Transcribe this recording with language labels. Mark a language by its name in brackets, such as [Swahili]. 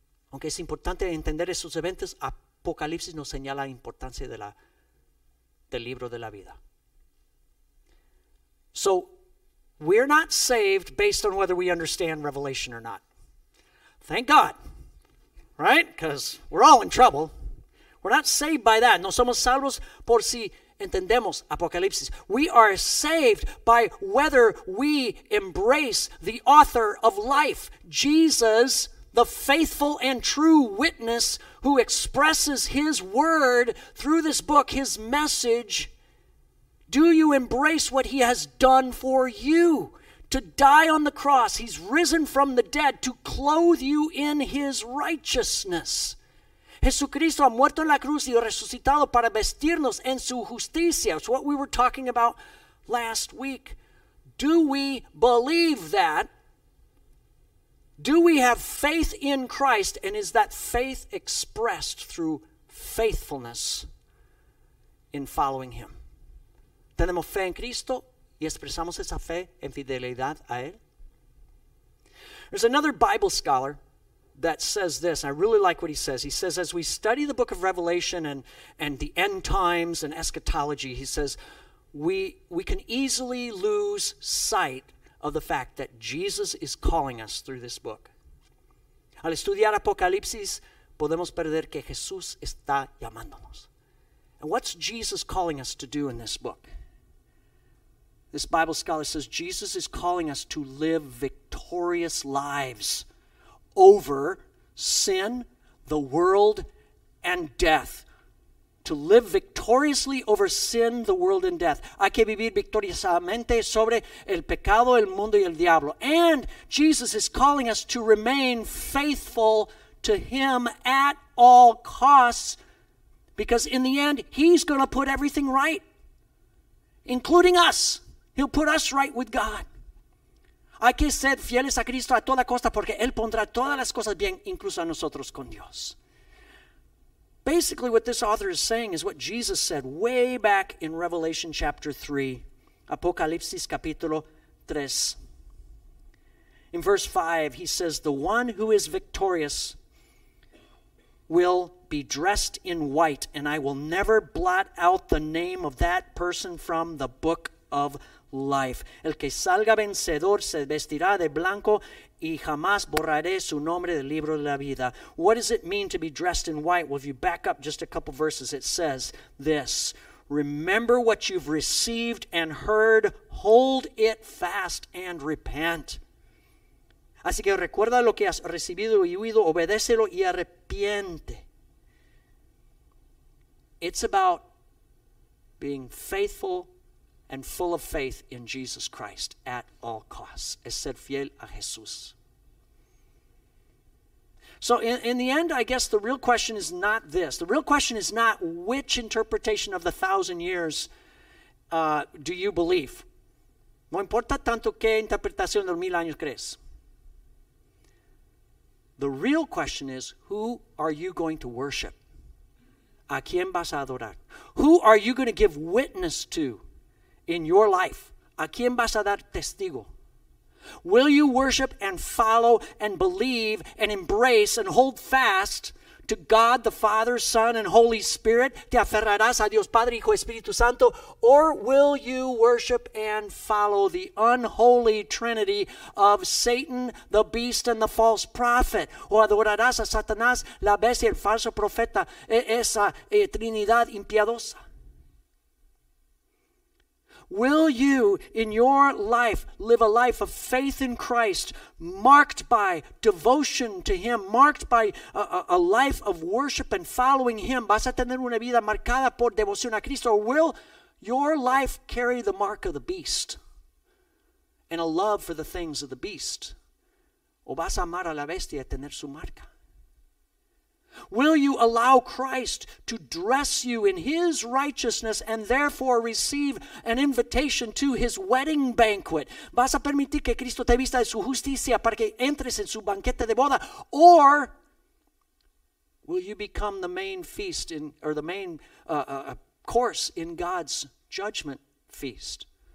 [Spanish] Aunque es importante entender esos eventos, Apocalipsis nos señala la importancia de del libro de la vida. [English] So, we're not saved based on whether we understand Revelation or not. Thank God, right? Because we're all in trouble. We're not saved by that. [Spanish] No somos salvos por si entendemos Apocalipsis. [English] We are saved by whether we embrace the author of life, Jesus, the faithful and true witness who expresses his word through this book, his message. Do you embrace what he has done for you? To die on the cross, he's risen from the dead to clothe you in his righteousness. [Spanish] Jesucristo ha muerto en la cruz y resucitado para vestirnos en su justicia. [English] It's what we were talking about last week. Do we believe that? Do we have faith in Christ? And is that faith expressed through faithfulness in following him? [Spanish] Tenemos fe en Cristo y expresamos esa fe en fidelidad a él. [English] There's another Bible scholar that says this. I really like what he says. He says, as we study the book of Revelation and the end times and eschatology, he says, we can easily lose sight of the fact that Jesus is calling us through this book. [Spanish] Al estudiar Apocalipsis, podemos perder que Jesús está llamándonos. [English] And what's Jesus calling us to do in this book? This Bible scholar says Jesus is calling us to live victorious lives over sin, the world, and death. To live victoriously over sin, the world, and death. [Spanish] Hay que vivir victoriosamente sobre el pecado, el mundo, y el diablo. [English] And Jesus is calling us to remain faithful to him at all costs, because in the end, he's going to put everything right, including us. He'll put us right with God. [Spanish] Hay que ser fieles a Cristo a toda costa, porque él pondrá todas las cosas bien, incluso a nosotros con Dios. [English] Basically, what this author is saying is what Jesus said way back in Revelation chapter 3, [Spanish] Apocalipsis capítulo 3. [English] In verse 5, he says, "The one who is victorious will be dressed in white, and I will never blot out the name of that person from the book of life. [Spanish] El que salga vencedor se vestirá de blanco, y jamás borraré su nombre del libro de la vida." [English] What does it mean to be dressed in white? Well, if you back up just a couple verses, it says this: "Remember what you've received and heard, hold it fast and repent." [Spanish] Así que recuerda lo que has recibido y oído, obedécelo y arrepiente. [English] It's about being faithful and full of faith in Jesus Christ at all costs. [Spanish] Es ser fiel a Jesús. [English] So in the end, I guess the real question is not this. The real question is not which interpretation of the thousand years do you believe. [Spanish] No importa tanto qué interpretación de los mil años crees. [English] The real question is, who are you going to worship? [Spanish] ¿A quién vas a adorar? [English] Who are you going to give witness to in your life? [Spanish] ¿A quién vas a dar testigo? [English] Will you worship and follow and believe and embrace and hold fast to God, the Father, Son, and Holy Spirit? [Spanish] ¿Te aferrarás a Dios Padre, Hijo, Espíritu Santo? [English] Or will you worship and follow the unholy trinity of Satan, the beast, and the false prophet? [Spanish] ¿O adorarás a Satanás, la bestia, el falso profeta, esa trinidad impiedosa? [English] Will you, in your life, live a life of faith in Christ, marked by devotion to him, marked by a life of worship and following him? [Spanish] ¿Vas a tener una vida marcada por devoción a Cristo? [English] Or will your life carry the mark of the beast and a love for the things of the beast? [Spanish] ¿O vas a amar a la bestia y tener su marca? [English] Will you allow Christ to dress you in his righteousness and therefore receive an invitation to his wedding banquet? [Spanish] ¿Vas a permitir que Cristo te vista de su justicia para que entres en su banquete de boda? [English] Or will you become the main feast in, or the main course in God's judgment feast?